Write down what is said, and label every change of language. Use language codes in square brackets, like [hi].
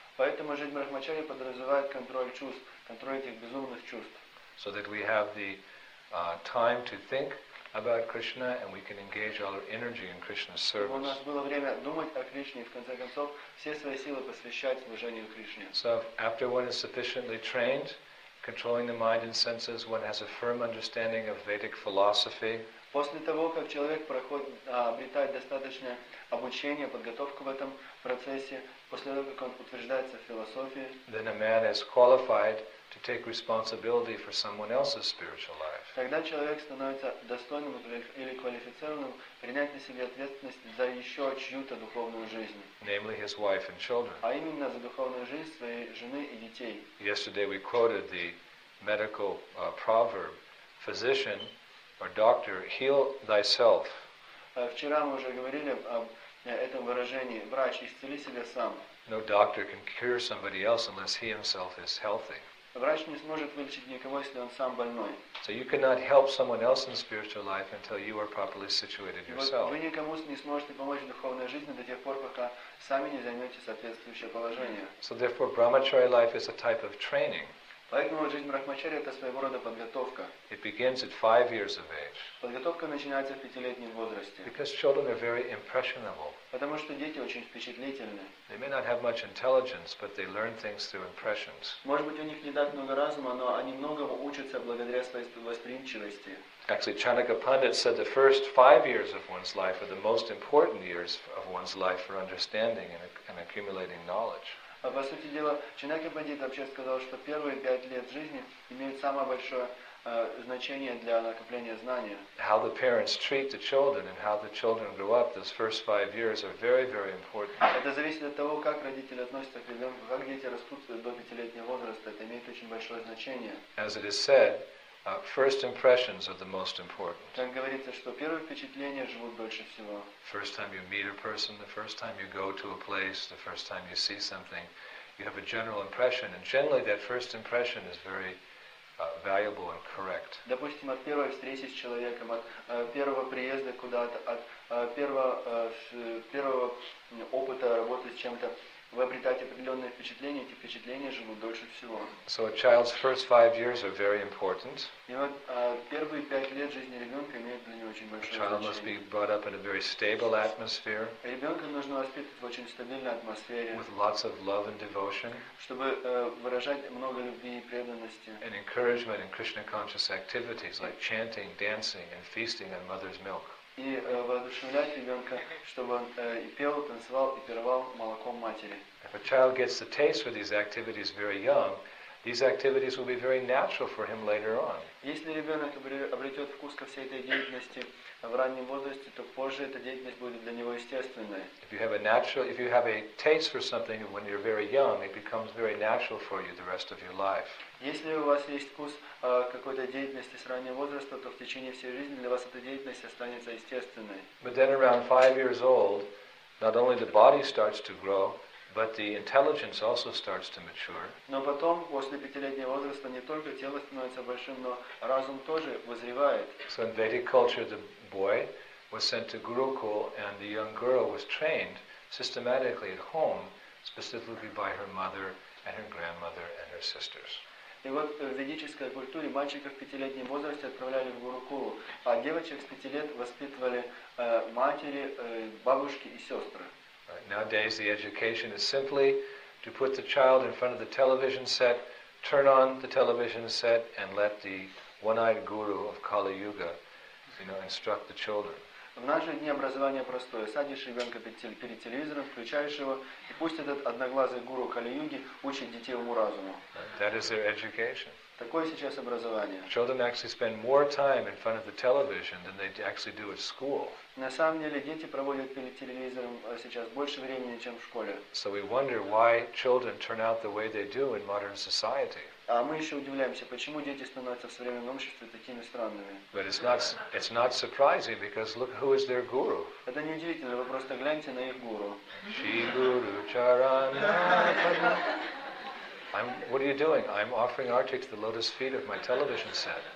[ru] Поэтому жизнь брахмачари подразумевает контроль чувств, контроль этих безумных чувств. [en] So that we have the time to think about Krishna and we can engage all our energy in Krishna's service. [ru] У нас было время думать о Кришне и в конце концов все свои силы посвящать служению Кришне. [en] So after one is sufficiently trained, controlling the mind and senses, one has a firm understanding of Vedic philosophy. [ru] После того, как человек обретает достаточное обучение, подготовку в этом процессе, после того, как он утверждается в философии, [en] then a man is qualified to take responsibility for someone else's spiritual life. [ru] Когда человек становится достойным или квалифицированным принять на себя ответственность за еще чью-то духовную жизнь. [en] Namely his wife and children. [ru] А именно за духовную жизнь своей жены и детей. [en] Yesterday we quoted the medical proverb, physician or doctor, heal thyself. [ru] Вчера мы уже говорили об этом выражении: врач, исцели себя сам. [en] No doctor can cure somebody else unless he himself is healthy. [ru] Врач не сможет вылечить никого, если он сам больной. [en] So you cannot help someone else in spiritual life until you are properly situated yourself. [ru] Вы никому не сможете помочь в духовной жизни до тех пор, пока сами не займете соответствующее положение. [en] So therefore, brahmacharya life is a type of training. [ru] Поэтому жизнь брахмачарья — это своего рода подготовка. [en] It begins at 5 years of age. [ru] Подготовка начинается в 5-летнем возрасте. [en] Because children are very impressionable. [ru] Потому что дети очень впечатлительны. [en] They may not have much intelligence, but they learn things through impressions. [ru] Может быть, у них не так много разума, но они многому учатся благодаря своей восприимчивости. [en] Actually, Chanaka Pandit said the first 5 years of one's life are the most important years of one's life for understanding and accumulating knowledge. [ru] А по сути дела, Чанака Пандит вообще сказал, что первые 5 лет жизни имеют самое большое значение для накопления знания. [en] How the parents treat the children and how the children grow up, those first 5 years are very, very important. [ru] Это зависит от того, как родители относятся к ребенку, как дети растут до 5-летнего возраста. Это имеет очень большое значение. [en] As it is said, first impressions are the most important. [ru] Как говорится, что первые впечатления живут дольше всего. [en] First time you meet a person, the first time you go to a place, the first time you see something, you have a general impression, and generally that first impression is very valuable and correct. [ru] Допустим, от первой встречи с человеком, от первого приезда куда-то, от первого опыта работы с чем-то, вы обретаете определенные впечатления, эти впечатления живут дольше всего. [en] So a child's first 5 years are very important. [ru] И вот первые 5 лет жизни ребенка имеют для него очень большое значение. [en] A child must be brought up in a very stable atmosphere. [ru] Ребенка нужно воспитывать в очень стабильной атмосфере. [en] With lots of love and devotion. [ru] Чтобы выражать много любви и преданности. [en] And encouragement in Krishna conscious activities like chanting, dancing, and feasting on mother's milk. [ru] И воодушевлять ребенка, чтобы он и пел, и танцевал, и пировал молоком матери. [en] If a child gets the taste for these activities very young, these activities will be very natural for him later on. [ru] Если ребенок обретет вкус ко всей этой деятельности в раннем возрасте, то позже эта деятельность будет для него естественной. [en] If you have a taste for something when you're very young, it becomes very natural for you the rest of your life. [ru] Если у вас есть вкус какой-то деятельности с раннего возраста, то в течение всей жизни для вас эта деятельность останется естественной. [en] But then around 5 years old, not only the body starts to grow, but the intelligence also starts to mature. [ru] Но потом, после 5-летнего возраста, не только тело становится большим, но разум тоже вызревает. [en] So in Vedic culture, the boy was sent to Gurukul, and the young girl was trained systematically at home, specifically by her mother and her grandmother and her sisters. [ru] И вот в ведической культуре мальчиков в 5-летнем возрасте отправляли в Гурукулу, а девочек с 5 лет воспитывали матери, бабушки и сестры. [en] Nowadays, the education is simply to put the child in front of the television set, turn on the television set, and let the one-eyed guru of Kali Yuga, you know, instruct the children. [ru] В наши дни образование простое. Садишь ребенка перед телевизором, включаешь его, и пусть этот одноглазый гуру Кали Юги учит детей уму-разуму. [en] That is their education. [ru] Такое сейчас образование. [en] Children actually spend more time in front of the television than they actually do at school. [ru] На самом деле дети проводят перед телевизором сейчас больше времени, чем в школе. [en] So we wonder why children turn out the way they do in modern society. [ru] А мы еще удивляемся, почему дети становятся в современном обществе такими странными. [en] But it's not surprising, because look who is their guru. [ru] Это не удивительно, вы просто гляньте на их гуру. [sa] Shri Guru Charana. [en] What are you doing? I'm offering arati to the lotus feet of my television set.